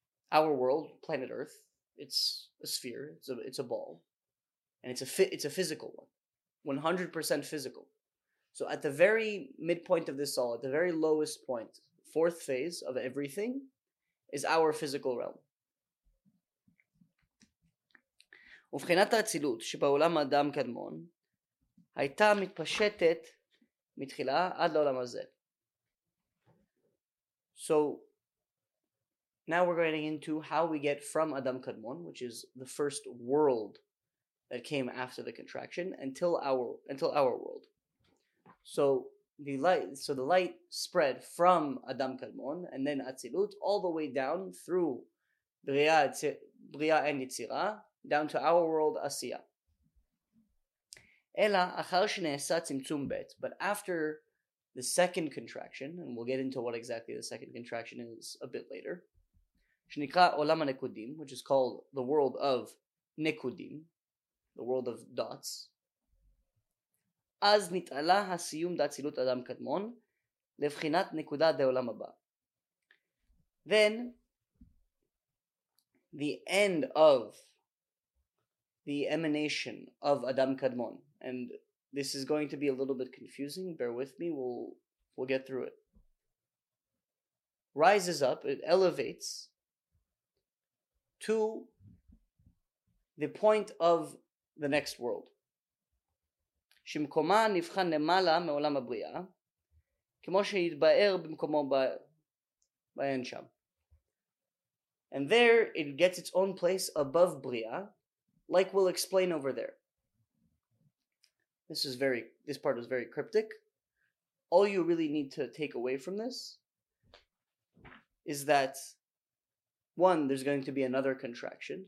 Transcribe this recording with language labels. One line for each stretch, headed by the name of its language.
English: Our world, planet Earth, it's a sphere, it's a ball. And it's a physical one, 100% physical. So at the very midpoint of this all, at the very lowest point, fourth phase of everything, is our physical realm.
Hebrew: ובחינת האצילות שבעולם האדם קדמון הייתה מתפשטת מתחילה עד לעולם הזה.
English: So, now we're going into how we get from Adam Kadmon, which is the first world that came after the contraction, until our world. So the light spread from Adam Kadmon and then Atzilut all the way down through Bria and Yitzira down to our world Asiya.
Hebrew: Ela achar shenasa tzimtzum bet,
English: but after the second contraction, and we'll get into what exactly the second contraction is a bit later,
Hebrew: shenikra olam nekudim,
English: which is called the world of nekudim, the world of dots.
Hebrew: אז נתעלה הסיום דאצילות אדם קדמון לבחינת נקודה דעולם הבא.
English: Then, the end of the emanation of Adam Kadmon, and this is going to be a little bit confusing, bear with me, we'll get through it. Rises up, it elevates to the point of the next world.
Hebrew: שמקומה נבחן למעלה מעולם הבריאה, כמו שהתבאר במקומו בעין שם.
English: And there it gets its own place above בריאה, like we'll explain over there. This part is very cryptic. All you really need to take away from this is that, one, there's going to be another contraction.